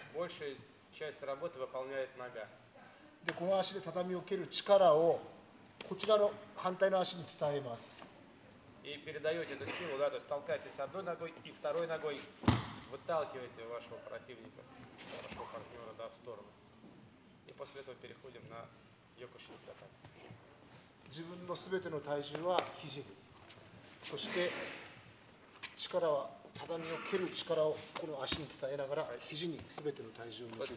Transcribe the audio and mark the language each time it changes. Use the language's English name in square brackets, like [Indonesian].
[Russian] Большая часть работы выполняет нога. [Japanese] И この足で畳を蹴る力をこちらの反対の足に伝えます。 [Russian] И передаете эту силу, да, то есть толкаете с одной ногой и второй ногой выталкиваете вашего противника, вашего партнера, да, в сторону. И после этого переходим на йокушинкатан. [Japanese] 自分のすべての体重は肘に。そして力は畳を蹴る力をこの足に伝えながら肘にすべての体重を乗せて。